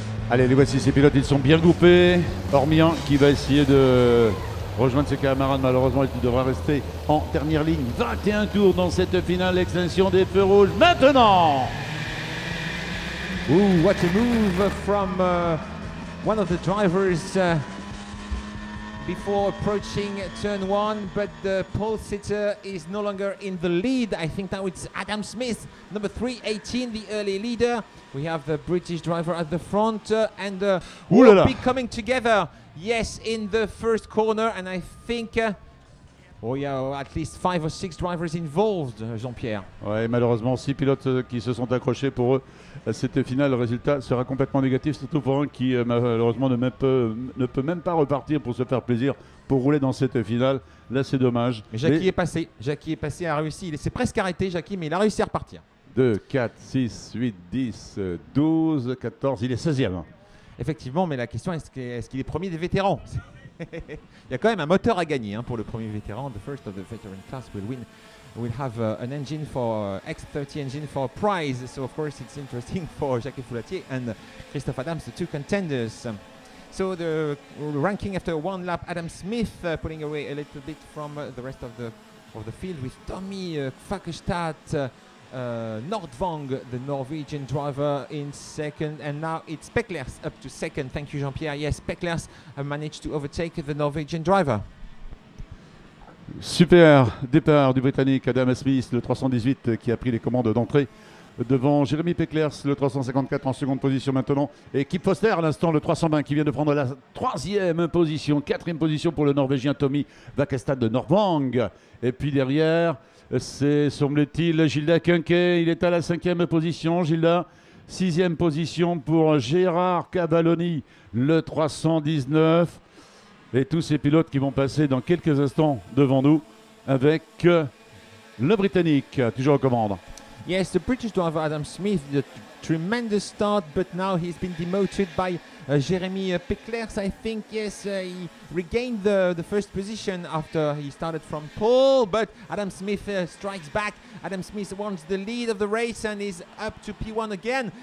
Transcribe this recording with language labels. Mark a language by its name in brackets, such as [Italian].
[French] Allez, les voici, ces pilotes, ils sont bien groupés, hormis un qui va essayer de rejoindre ses camarades, malheureusement, et qui devra rester en dernière ligne. 21 tours dans cette finale, extension des feux rouges, maintenant! [English] Ooh, what a move from one of the drivers before approaching turn one, but the pole sitter is no longer in the lead. I think now it's Adam Smith, number 318, the early leader. We have the British driver at the front and we'll be coming together, yes, in the first corner. And I think, at least five or six drivers involved, Jean-Pierre. [French] Ouais, malheureusement, six pilotes qui se sont accrochés pour eux. Cette finale, le résultat sera complètement négatif, surtout pour un qui, malheureusement, ne peut même pas repartir pour se faire plaisir, pour rouler dans cette finale. Là, c'est dommage. Mais Jackie est passé, a réussi. Il s'est presque arrêté, Jackie, mais il a réussi à repartir. 2, 4, 6, 8, 10, 12, 14, il est 16e. Effectivement, mais la question est-ce qu'il est premier des vétérans? Il y a quand même un moteur à gagner pour le premier vétéran. [English] The first of the veteran class will win. We'll have an engine for X30 engine for a prize. So, of course, it's interesting for Jacques Foulatier and Christophe Adams, the two contenders. So the ranking after one lap, Adam Smith pulling away a little bit from the rest of the field with Tommy Fagerstad, Nordvang, the Norwegian driver, in second. And now it's Pekler's up to second. Thank you, Jean-Pierre. Yes, Pekler's have managed to overtake the Norwegian driver. [French] Super départ du Britannique Adam Smith, le 318, qui a pris les commandes d'entrée devant Jérémy Pekler's, le 354 en seconde position maintenant. Et Kip Foster, à l'instant, le 320, qui vient de prendre la troisième position, quatrième position pour le Norvégien Tommy Vakestad de Nordvang. Et puis derrière, c'est, semble-t-il, Gilda Kunke. Il est à la cinquième position, Gilda. Sixième position pour Gérard Cavalloni, le 319. Et tous ces pilotes qui vont passer dans quelques instants devant nous avec le Britannique, toujours aux commandes. [English] Yes, the British driver Adam Smith, the tremendous start, but now he's been demoted by Jeremy Pekler's, I think. Yes, he regained the first position after he started from pole, but Adam Smith strikes back. Adam Smith wants the lead of the race and is up to P1 again.